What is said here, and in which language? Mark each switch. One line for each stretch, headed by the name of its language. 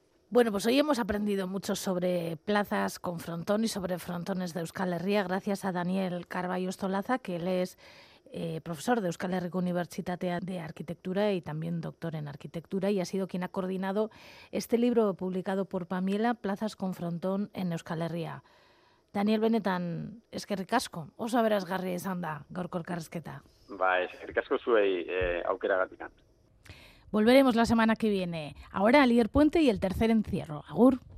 Spanish: Bueno, pues hoy hemos aprendido mucho sobre plazas con frontón y sobre frontones de Euskal Herria, gracias a Daniel Carballo Estolaza, que él es profesor de Euskal Herriko Unibertsitatea de Arquitectura y también doctor en arquitectura, y ha sido quien ha coordinado este libro publicado por Pamiela, Plazas con frontón en Euskal Herria.
Basque: Daniel, benetan, eskerrik asko. Oso aberasgarria izan da gaurko elkarrizketa. Ba, eskerrik asko zuei aukeragatik.
Spanish: Volveremos la semana que viene. Ahora Lider Puente y el tercer encierro. Agur.